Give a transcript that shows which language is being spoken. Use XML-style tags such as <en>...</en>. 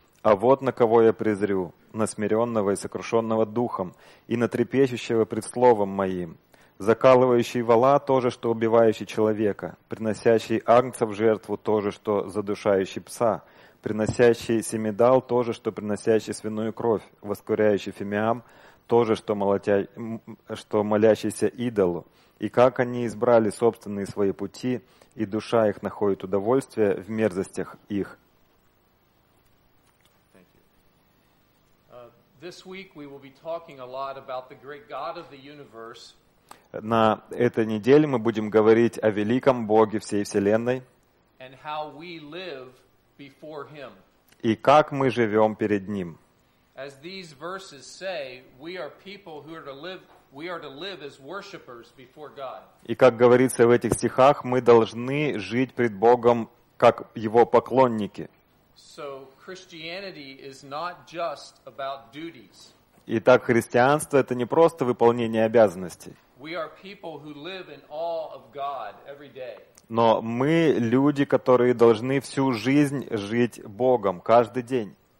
<ru>А вот на кого я презрю, на смиренного и сокрушенного духом, и на трепещущего пред словом моим, закалывающий вола — то же, что убивающий человека, приносящий агнца в жертву — то же, что задушающий пса, приносящий семидал — то же, что приносящий свиную кровь, воскуряющий фимиам — то же, что молящийся идолу. И как они избрали собственные свои пути, и душа их находит удовольствие в мерзостях их».</ru> <en>This week we will be talking a lot about the great God of the universe.</en> <ru>На этой неделе мы будем говорить о великом Боге всей Вселенной.</ru> <en>And how we live before him.</en> <ru>И как мы живем перед Ним.</ru> <en>As these verses say, we are people who are to live, we are to live as worshipers before God.</en> <ru>И как говорится в этих стихах, мы должны жить пред Богом как Его поклонники.</ru> <en>So Christianity is not just about duties.</en> <ru>Итак, христианство — это не просто выполнение обязанностей.</ru> <en>We are people who live in awe of God every day.</en> <ru>Но мы люди, которые должны всю жизнь жить Богом, каждый день.</ru>